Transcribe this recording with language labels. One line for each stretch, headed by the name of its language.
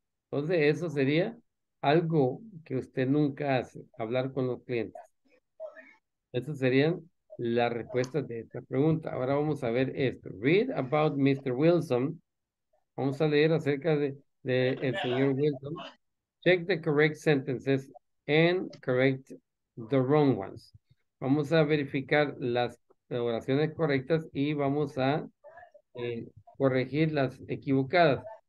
Spanish: Entonces, eso sería algo que usted nunca hace, hablar con los clientes. Esas serían las respuestas de esta pregunta. Ahora vamos a ver esto.
English: Read about Mr. Wilson.
Spanish: Vamos a leer acerca de el señor Wilson.
English: Check the correct sentences and correct the wrong ones.
Spanish: Vamos a verificar las oraciones correctas y vamos a corregir las equivocadas.